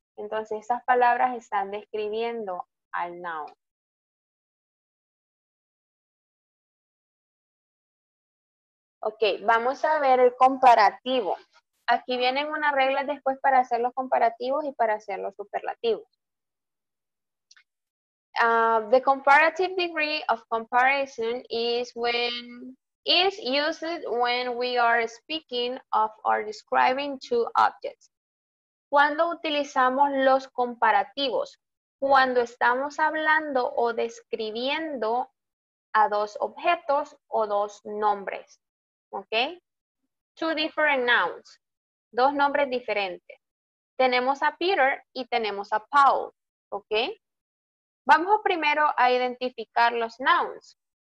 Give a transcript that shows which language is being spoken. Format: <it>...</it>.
<es>Entonces, esas palabras están describiendo al noun. Ok, vamos a ver el comparativo. Aquí vienen unas reglas después para hacer los comparativos y para hacer los superlativos.</es> <en>The comparative degree of comparison is used when we are speaking of or describing two objects.</en> <es>¿Cuándo utilizamos los comparativos? Cuando estamos hablando o describiendo a dos objetos o dos nombres.</es> <en>¿Ok? Two different nouns.</en> <es>Dos nombres diferentes. Tenemos a Peter y tenemos a Paul. ¿Ok? Vamos primero a identificar los nouns.</es>